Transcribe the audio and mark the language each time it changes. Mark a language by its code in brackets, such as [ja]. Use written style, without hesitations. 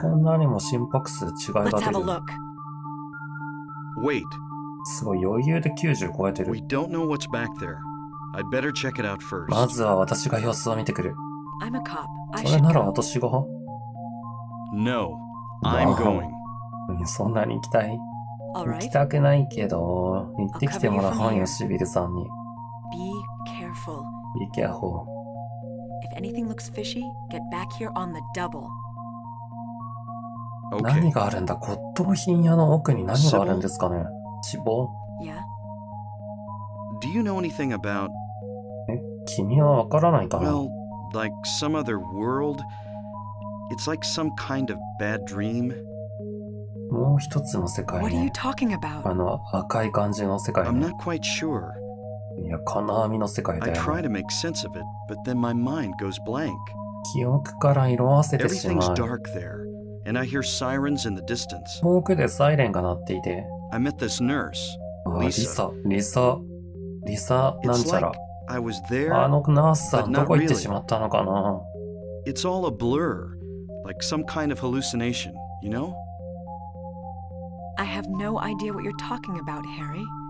[ja] こんなにも心拍数違いが出る。 [en] Let's have a look. Wait. [ja] すごい、余裕で90超えてる。 [en] We don't know what's back there. I'd better check it out first. [ja] まずは私が様子を見てくる。 [en] I'm a cop. [ja] それなら私が? [en] No, I'm going. [ja] そんなに行きたい? [en] All right. [ja] 行きたくないけど、行ってきてもらうよ、シビルさんに。 [en] Be careful. Be careful. If anything looks fishy, get back here on the double. Okay. [ja] 何があるんだ? 骨董品屋の奥に何があるんですかね? 脂肪? [en] Do you know anything about? [ja] 君はわからないかな? [en] Well, like some other world. It's like some kind of bad dream. [ja] もう一つの世界ね。 [en] What are you talking about? [ja] あの赤い感じの世界ね。 [en] I'm not quite sure. [ja] いや、金網の世界だよ。 [en] I try to make sense of it, but then my mind goes blank. [ja] 記憶から色褪せてしまう。 [en] Everything's dark there, and I hear sirens in the distance. [ja] 遠くでサイレンが鳴っていて。 [en] I met this nurse, Lisa. [ja] リサ、リサ。リサなんちゃら。 [en] I was there, [ja] あのナースさんどこ行ってしまったのかな。 [en] It's all a blur, like some kind of hallucination, you know? I have no idea what you're talking about, Harry.